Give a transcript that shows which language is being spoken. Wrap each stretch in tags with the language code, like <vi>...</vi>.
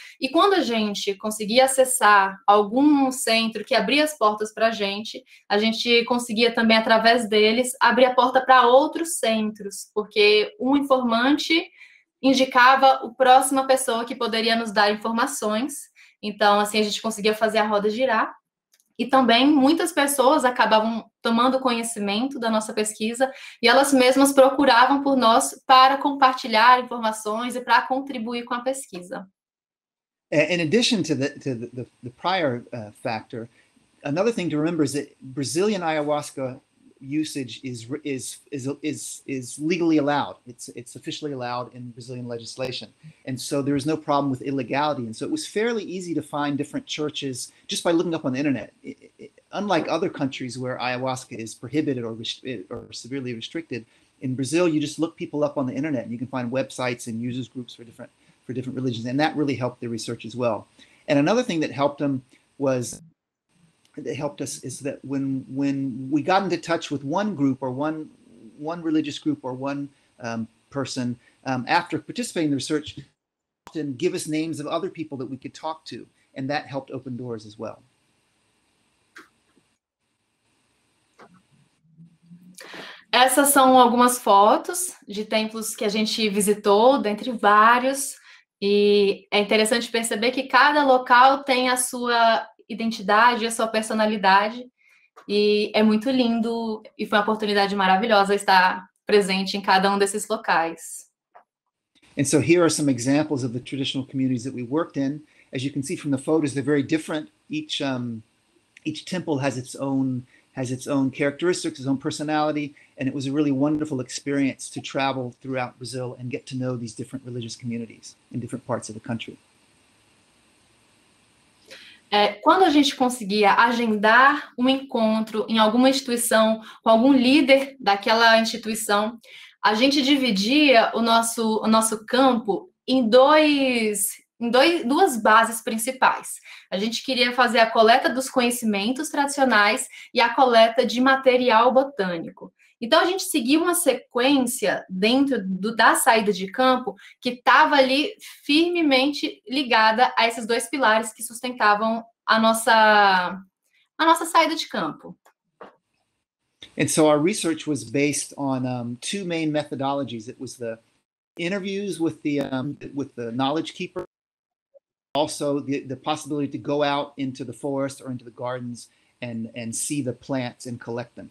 <pt>E quando a gente conseguia acessar algum centro que abria as portas para a gente conseguia também, através deles, abrir a porta para outros centros, porque um informante indicava a próxima pessoa que poderia nos dar informações. Então, assim, a gente conseguia fazer a roda girar. E também muitas pessoas acabavam tomando conhecimento da nossa pesquisa e elas mesmas procuravam por nós para compartilhar informações e para contribuir com a pesquisa.</pt> <en>In addition to the prior factor, another thing to remember is that Brazilian ayahuasca usage is legally allowed. It's officially allowed in Brazilian legislation. And so there is no problem with illegality. And so it was fairly easy to find different churches just by looking up on the internet. Unlike other countries where ayahuasca is prohibited or severely restricted, in Brazil, you just look people up on the internet and you can find websites and users groups for different religions. And that really helped the research as well. And another thing that helped them was that helped us is that when we got into touch with one group or one religious group or one person after participating in the research, often give us names of other people that we could talk to, and that helped open doors as well.</en> <pt>Essas são algumas fotos de templos que a gente visitou, dentre vários, e é interessante perceber que cada local tem a sua identidade, a sua personalidade, e é muito lindo, e foi uma oportunidade maravilhosa estar presente em cada um desses locais.</pt> <en>And so here are some examples of the traditional communities that we worked in. As you can see from the photos, they're very different. Each temple has its own characteristics, its own personality, and it was a really wonderful experience to travel throughout Brazil and get to know these different religious communities in different parts of the country.</en> <pt>Quando a gente conseguia agendar um encontro em alguma instituição com algum líder daquela instituição, a gente dividia o nosso campo em duas bases principais. A gente queria fazer a coleta dos conhecimentos tradicionais e a coleta de material botânico. Então, a gente seguiu uma sequência dentro da saída de campo que estava ali firmemente ligada a esses dois pilares que sustentavam a nossa saída de campo.</pt> <en>And so our research was based on two main methodologies. It was the interviews with the knowledge keeper, also the possibility to go out into the forest or into the gardens and see the plants and collect them.</en>